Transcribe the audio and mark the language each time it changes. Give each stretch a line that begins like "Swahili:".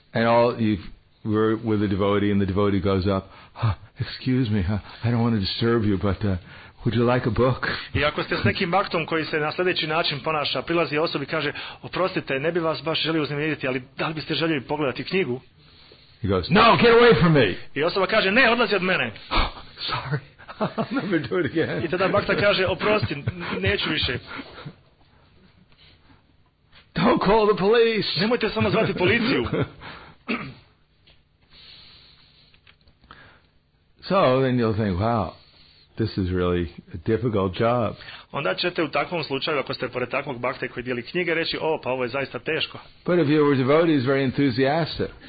English: and all you were with a devotee and the devotee goes up, excuse me, I don't want to disturb you, but would you like a book?
Bosnian: I ako ste s nekim baktom koji se na sljedeći način ponaša, prilazi osobi i kaže, oprostite, ne bi vas baš želio uznemiriti, ali da li biste željeli pogledati knjigu?
English: He goes, no, get away from me.
Bosnian: I osoba kaže, ne, odlazi od mene.
English: Sorry, I'll never do it again.
Bosnian: I tada bakta kaže, oprosti, neću više.
English: Don't call the police.
Bosnian: Nemojte samo zvati policiju.
English: So then you'll think, wow, this is really a difficult job.
Bosnian: Onda ćete u takvom slučaju, ako ste pored takvog bakte koji dijeli knjige, reći, o, pa ovo je zaista teško.
English: But if your devotee is very enthusiastic.